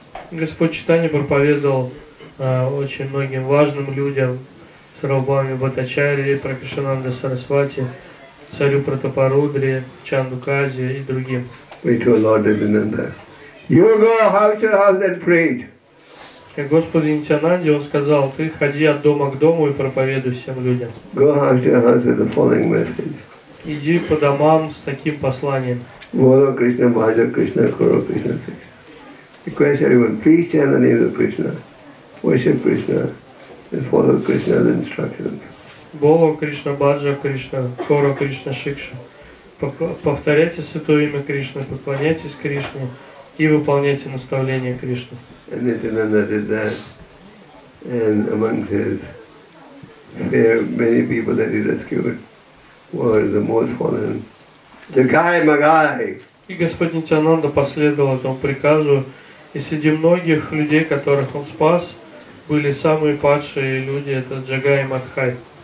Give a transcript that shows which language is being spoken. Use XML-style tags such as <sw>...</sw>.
<ru>Господь Чайтанья проповедовал очень многим важным людям, с Рабами Бхаттачарьи, Пракашананда Сарасвати, царю Пратапарудри, Чандукази и другим. И Господь Нитянанда, он сказал, ты ходи от дома к дому и проповедуй всем людям.</ru> <en>Go house to house with the following message.</en> <ru>Иди по домам с таким посланием.</ru> <bn>Воло Кришна Бхаджа Кришна Куру Кришна Сикшна.</bn> <en>Request everyone, please chant the name of Krishna. Worship Krishna and follow Krishna's instructions.</en> <bn>Bolo Krishna Bhaja Krishna Kora Krishna Shiksha.</bn> <ru>Повторяйте святое имя Кришны, поклоняйтесь Кришне и выполняйте наставления Кришны.</ru> <en>And Nityananda did that. And among his there many people that he rescued were the most fallen. Jagai Magai.</en> <ru>И Господь Нитянанда последовал этому приказу И среди многих людей, которых он спас, были самые падшие люди, это Джагай Мадхай.</ru>